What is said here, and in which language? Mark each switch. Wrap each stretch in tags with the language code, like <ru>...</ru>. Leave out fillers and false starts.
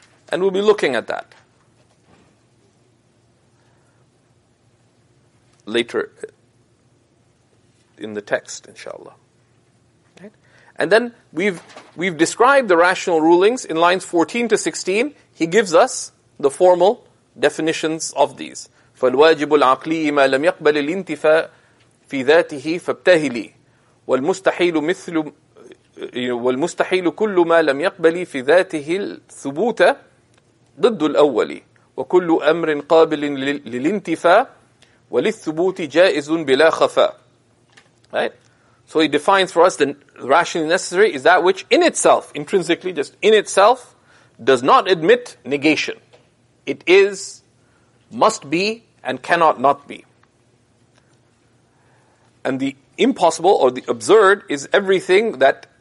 <en>And we'll be looking at that later in the text, inshallah. Right? And then we've described the rational rulings in lines 14 to 16. He gives us the formal definitions of these.</en> <ar>فَالْوَاجِبُ الْعَقْلِيِّ مَا لَمْ يَقْبَلِ الْإِنْتِفَاءِ فِي ذَاتِهِ فَابْتَهِلِي وَالْمُسْتَحِيلُ مِثْلُ والمستحيل كل ما لم يقبل في ذاته الثبوت ضد الأول وكل أمر قابل للانتفاء وللثبوت جائز بلا خفاء.</ar> <en>Right? So he defines for us the rationally necessary is that which in itself, intrinsically, just in itself, does not admit negation. It is, must be, and cannot not be. And the impossible or the absurd is everything that</en>